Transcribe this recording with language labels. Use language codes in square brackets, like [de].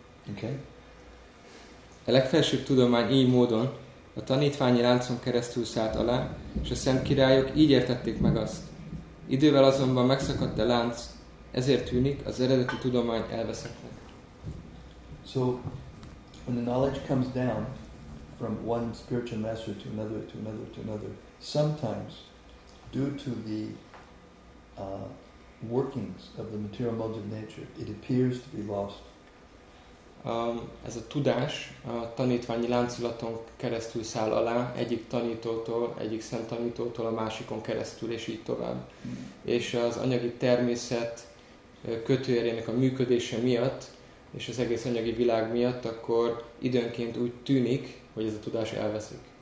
[hu] Okay. A legfelsőbb tudomány így módon a tanítványi láncon keresztül szállt alá, és a szent királyok így értették meg azt. Idővel azonban megszakadt a lánc, ezért tűnik az eredeti tudomány elveszettnek. [en] So, when the knowledge comes down from one spiritual master to another, to another, to another, sometimes, due to the workings of the material modes of nature, it appears to be lost. [hu] Ez a tudás a tanítványi láncolaton keresztül száll alá, egyik tanítótól, egyik szent tanítótól a másikon keresztül, és így tovább. És az anyagi természet kötőjelének a működése miatt, és az egész anyagi világ miatt, akkor időnként úgy tűnik, hogy ez a tudás elveszik.